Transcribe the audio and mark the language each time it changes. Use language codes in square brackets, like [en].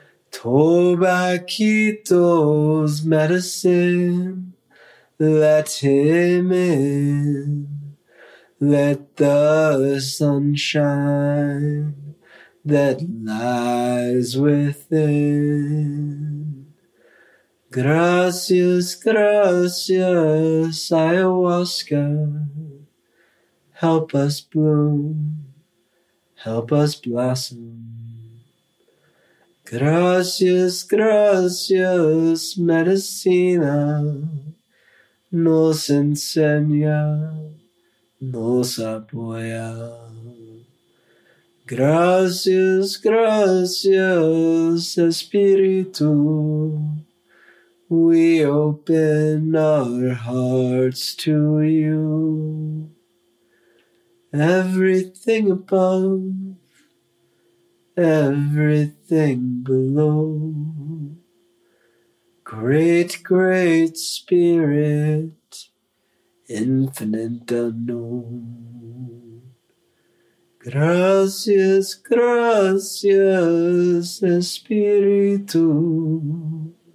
[en] Tobacchito's medicine, let him in. Let the sunshine that lies within. [es] Gracias, gracias, ayahuasca. [en] Help us bloom, help us blossom. [es] Gracias, gracias, medicina. Nos enseña, nos apoya. Gracias, gracias, espíritu. [en] We open our hearts to you. Everything above, everything below. Great, great spirit, infinite unknown. [es] Gracias, gracias, espíritu.